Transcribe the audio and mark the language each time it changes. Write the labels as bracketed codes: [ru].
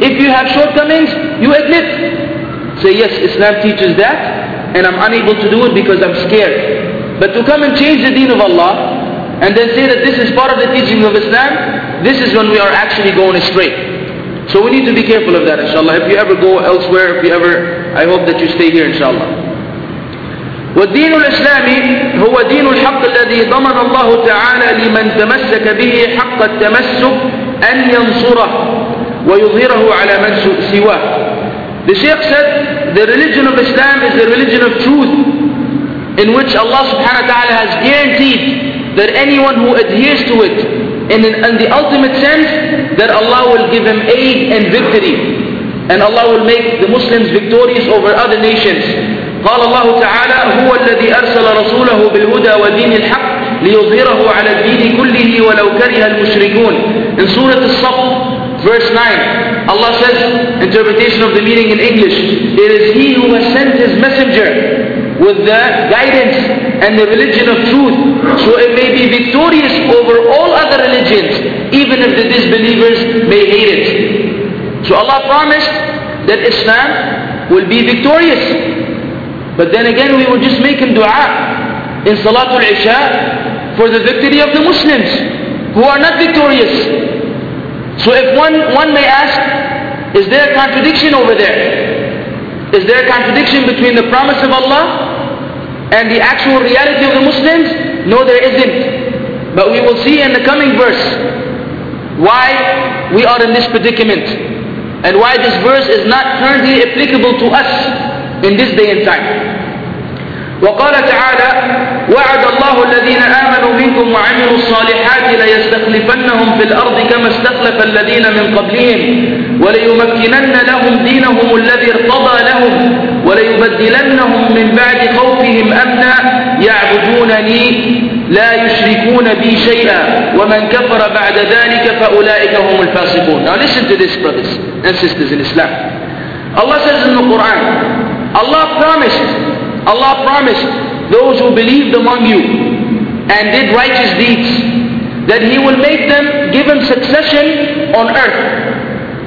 [en] If you have shortcomings, you admit. Say, yes, Islam teaches that, and I'm unable to do it because I'm scared. But to come and change the deen of Allah, and then say that this is part of the teaching of Islam, this is when we are actually going astray. So we need to be careful of that, inshallah. If you ever go elsewhere, I hope that you stay here, inshallah. [ar] والدين الإسلامي هو دين الحق الذي ضمن الله تعالى لمن تمسك به حق التمسك أن ينصره ويظهره على من سواه. [en] The Shaykh said, the religion of Islam is the religion of truth, in which Allah subhanahu wa ta'ala has guaranteed that anyone who adheres to it, in the ultimate sense, that Allah will give him aid and victory, and Allah will make the Muslims victorious over other nations. [ar] قال الله تعالى هو الذي أرسل رسوله بالهدى ودين الحق ليظهره على الدين كله ولو كره المشركون. [en] In Surah As-Saff, verse 9, Allah says, interpretation of the meaning in English, it is He who has sent His messenger with the guidance and the religion of truth, so it may be victorious over all other religions, even if the disbelievers may hate it. So Allah promised that Islam will be victorious. But then again, we were just making dua in Salatul Isha for the victory of the Muslims who are not victorious. So if one may ask, is there a contradiction over there? Is there a contradiction between the promise of Allah and the actual reality of the Muslims? No, there isn't. But we will see in the coming verse why we are in this predicament and why this verse is not currently applicable to us in this day and time. [ar] وقال تعالى وعد الله الذين آمنوا منكم وعملوا الصالحات ليستخلفنهم في الأرض كما استخلف الذين من قبلهم وليمكنن لهم دينهم الذي ارتضى لهم وليبدلنهم من بعد خوفهم أمنا يعبدونني لا يشركون بي شيئا ومن كفر بعد ذلك فأولئك هم الفاسقون. [en] Now listen to this, brothers and sisters in Islam. Allah says in the Quran, Allah promised those who believed among you and did righteous deeds that He will make them, give them succession on earth.